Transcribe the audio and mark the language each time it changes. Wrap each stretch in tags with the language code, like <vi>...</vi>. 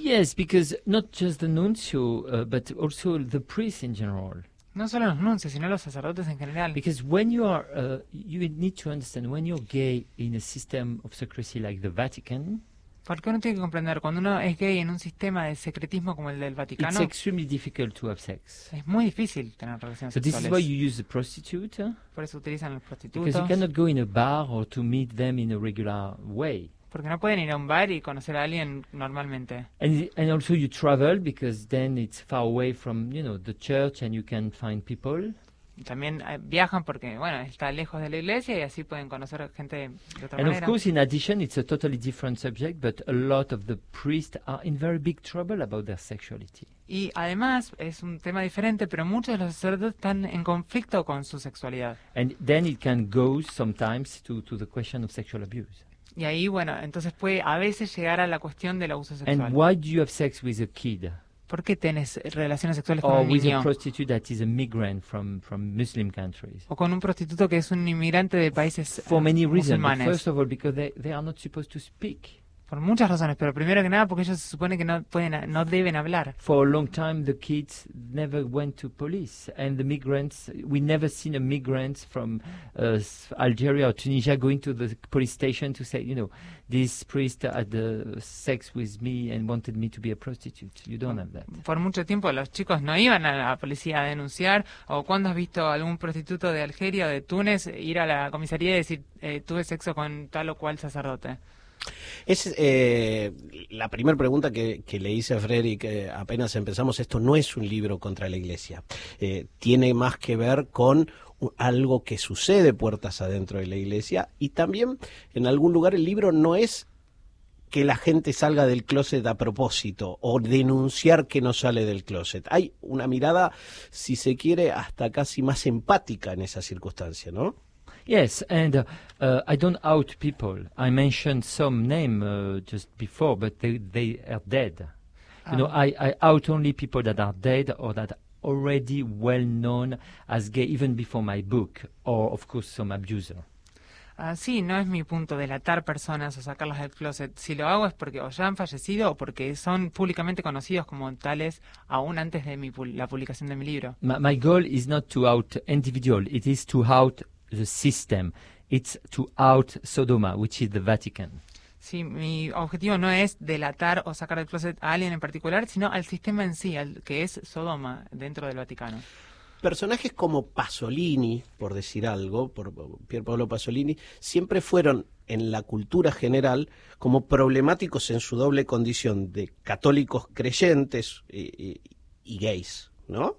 <en>Yes, because not just the nuncio, but also the priest in general.</en> <es>No solo los nuncios, sino los sacerdotes en general.</es> <en>Because when you are, you need to understand, when you're gay in a system of secrecy like the Vatican,</en> <es>porque uno tiene que comprender, cuando uno es gay en un sistema de secretismo como el del Vaticano,</es> <en>it's extremely difficult to have sex.</en> <es>Es muy difícil tener relaciones</es> <en>so</en> <es>sexuales.</es> <en>This is why you use the prostitute,</en> <es>por eso utilizan los prostitutos.</es> <en>Because you cannot go in a bar or to meet them in a regular way.</en> <es>Porque no pueden ir a un bar y conocer a alguien normalmente.</es> <en>And also you travel, because then it's far away from, you know, the church, and you can find people.</en> <es>también viajan porque, bueno, está lejos de la iglesia y así pueden conocer gente de otra manera.</es> <en>And of course, in addition, it's a totally different subject, but a lot of the priests are in very big trouble about their sexuality.</en> <es>Y además, es un tema diferente, pero muchos de los sacerdotes están en conflicto con su sexualidad.</es> <en>And then it can go sometimes to the question of sexual abuse.</en> <es>Y ahí, bueno, entonces puede a veces llegar a la cuestión del abuso sexual.</es> <en>And why do you have sex with a kid?</en> <es>¿Por qué tienes relaciones sexuales con un niño?</es> <en>A prostitute that is a migrant from Muslim countries.</en> <es>O con un prostituto que es un inmigrante de países musulmanes.</es> <en>For many reasons. But first of all, because they are not supposed to speak.</en> <es>Por muchas razones, pero primero que nada porque ellos se supone que no deben hablar.</es> <en>For a long time, the kids never went to police, and the migrants, we never seen a migrant from Algeria or Tunisia going to the police station to say, you know, this priest had sex with me and wanted me to be a prostitute. You don't have that.</en> <es>Por mucho tiempo los chicos no iban a la policía a denunciar. ¿O cuándo has visto algún prostituto de Algeria o de Túnez ir a la comisaría y decir tuve sexo con tal o cual sacerdote? Es la primera pregunta que le hice a Frederick apenas empezamos. Esto no es un libro contra la iglesia. Tiene más que ver con algo que sucede puertas adentro de la iglesia. Y también, en algún lugar, el libro no es que la gente salga del closet a propósito o denunciar que no sale del closet. Hay una mirada, si se quiere, hasta casi más empática en esa circunstancia, ¿no?</es> <en>Yes, and I don't out people. I mentioned some name just before, but they are dead. You know, I out only people that are dead or that are already well known as gay, even before my book, or of course some abuser.</en> <es>Sí, no es mi punto delatar personas o sacarlas del closet. Si lo hago es porque o ya han fallecido o porque son públicamente conocidos como tales aún antes de la publicación de mi libro.</es> <en>My goal is not to out individual. It is to out the system. It's to out Sodoma, which is the Vatican.</en> <es>Sí, mi objetivo no es delatar o sacar del closet a alguien en particular, sino al sistema en sí, que es Sodoma dentro del Vaticano. Personajes como Pasolini, por decir algo, por Pier Paolo Pasolini, siempre fueron en la cultura general como problemáticos en su doble condición de católicos creyentes y gays, ¿no?</es>